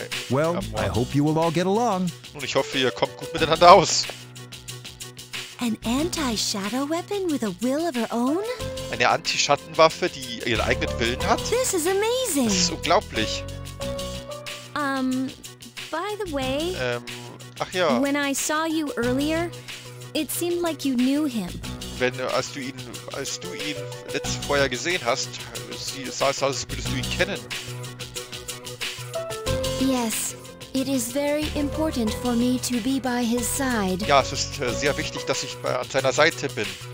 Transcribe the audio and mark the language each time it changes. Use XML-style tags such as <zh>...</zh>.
<en>Well, I hope you will all get along.</en> <de>Und ich hoffe, ihr kommt gut miteinander aus.</de> <en>An anti-shadow weapon with a will of her own?</en> <de>Eine Anti-Schattenwaffe, die ihren eigenen Willen hat?</de> <en>This is amazing.</en> <de>Das ist unglaublich.</de> <en>By the way.</en> <de>Ach ja.</de> <en>When I saw you earlier, it seemed like you knew him.</en> <de>Als du ihn letztes vorher gesehen hast, sah es aus, als würdest du ihn kennen.</de> <en>Yes. It is very important for me to be by his side.</en> <de>Ja, es ist sehr wichtig, dass ich an seiner Seite bin.</de>